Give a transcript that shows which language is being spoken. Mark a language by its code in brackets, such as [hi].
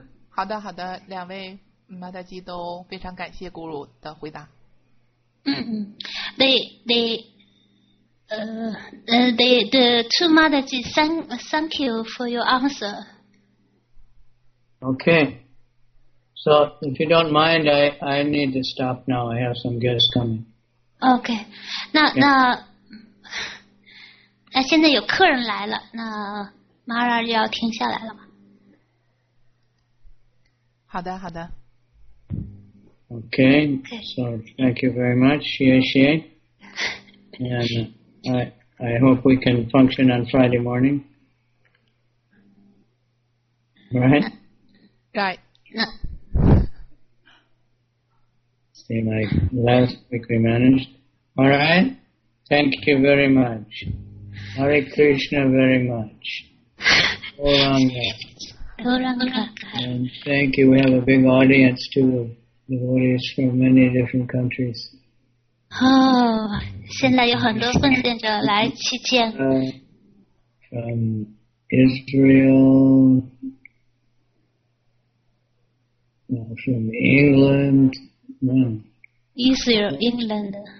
[zh] 好的好的两位马达基都非常感谢 Guru 的回答。 [en] They The two mother ji, thank you for your answer. Okay. So if you don't mind, I need to stop now. I have some guests coming. Okay. 那、yeah. [zh] 那那现在有客人来了，那马拉要停下来了吗？好的，好的。 [en] Okay. So thank you very much. [zh] 谢谢。 [en] And I hope we can function on Friday morning. Right? Right. Seem like last week we managed. All right. Thank you very much. Hare Krishna very much. Goranga. And thank you. We have a big audience too of devotees from many different countries. [zh] Oh, 现在有很多奉献者来祈见。 [en] From Israel, from England, Israel, England.